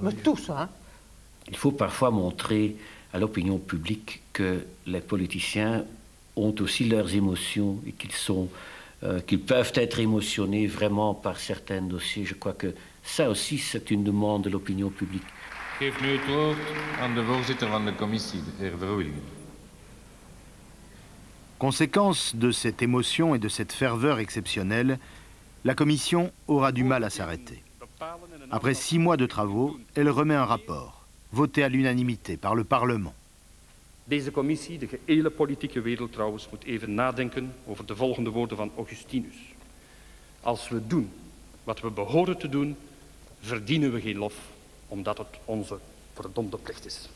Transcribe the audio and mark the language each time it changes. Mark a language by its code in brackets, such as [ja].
[fr] Mais tout ça. Il faut parfois montrer à l'opinion publique que les politiciens ont aussi leurs émotions et qu'ils peuvent être émotionnés vraiment par certains dossiers. Je crois que ça aussi, c'est une demande de l'opinion publique. [nl] Geef nu het woord aan de voorzitter van de commissie, de heer Verhoeven. [fr] Conséquence de cette émotion et de cette ferveur exceptionnelle, la commission aura du mal à s'arrêter. Après 6 mois de travaux, elle remet un rapport, voté à l'unanimité par le Parlement. [nl] Deze commissie, de gehele politieke wereld trouwens, moet even nadenken over de volgende woorden van Augustinus. Als we doen wat we behoren te doen, verdienen we geen lof, omdat het onze verdomde plicht is.